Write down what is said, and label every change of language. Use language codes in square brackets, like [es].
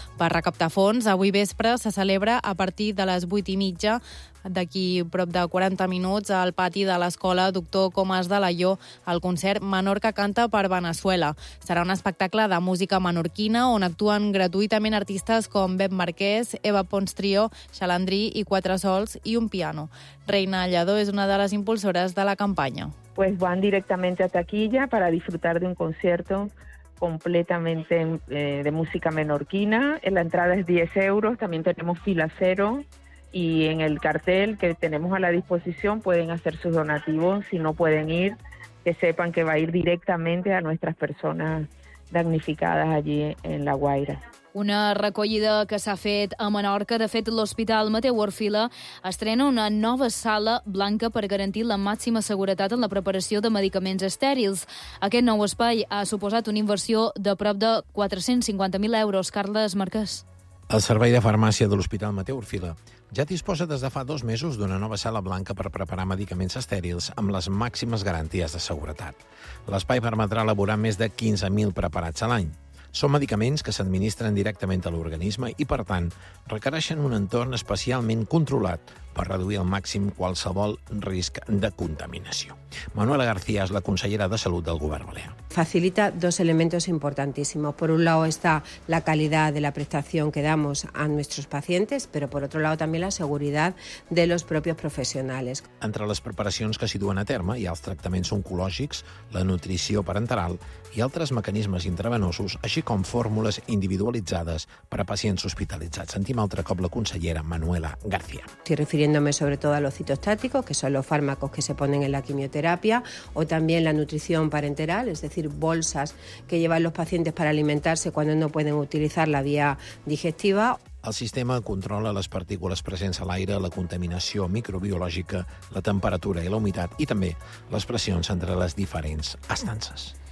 [ca] Per recaptar fons, avui vespre se celebra a partir de les 8:30 d'aquí prop de 40 minuts al pati de l'escola Doctor Comas de Alaior el concert Menorca canta per Veneçuela. Serà un espectacle de música menorquina on actuen gratuïtament artistes com Bep Marquès, Eva Pons Trio, Xalandrí i Quatre Sols i un piano. Reina Lladó és una de les impulsores de la campanya. [es] Pues van directamente a taquilla para disfrutar de un concierto completamente de música menorquina. La entrada es 10 euros, también tenemos fila cero. Y en el cartel que tenemos a la disposición pueden hacer sus donativos. Si no pueden ir, que sepan que va a ir directamente a nuestras personas damnificadas allí en La Guaira. [ca] Una recollida que s'ha fet a Menorca. De fet, l'Hospital Mateu Orfila estrena una nova sala blanca per garantir la màxima seguretat en la preparació de medicaments estèrils. Aquest nou espai ha suposat una inversió de prop de 450.000 euros. Carles Marquès. El Servei de Farmàcia de l'Hospital Mateu Orfila ja disposa des de fa 2 mesos d'una nova sala blanca per preparar medicaments estèrils amb les màximes garanties de seguretat. L'espai permetrà elaborar més de 15.000 preparats a l'any. Són medicaments que s'administren directament a l'organisme i, per tant, requereixen un entorn especialment controlat per reduir al màxim qualsevol risc de contaminació. Manuela García és la consellera de Salut del Govern Balear. [es] Facilita dos elementos importantísimos. Por un lado está la calidad de la prestación que damos a nuestros pacientes, pero por otro lado también la seguridad de los propios profesionales. [ca] Entre les preparacions que s'hi duen a terme hi ha els tractaments oncològics, la nutrició parenteral i altres mecanismes intravenosos, així com fórmules individualitzades per a pacients hospitalitzats. Sentim altre cop la consellera Manuela García. [es] Estoy refiriéndome sobre todo a los citostáticos, que son los fármacos que se ponen en la quimioterapia, o también la nutrición parenteral, es decir, bolsas que llevan los pacientes para alimentarse cuando no pueden utilizar la vía digestiva. [ca] El sistema controla les partícules presents a l'aire, la contaminació microbiològica, la temperatura i la humitat, i també les pressions entre les diferents estances.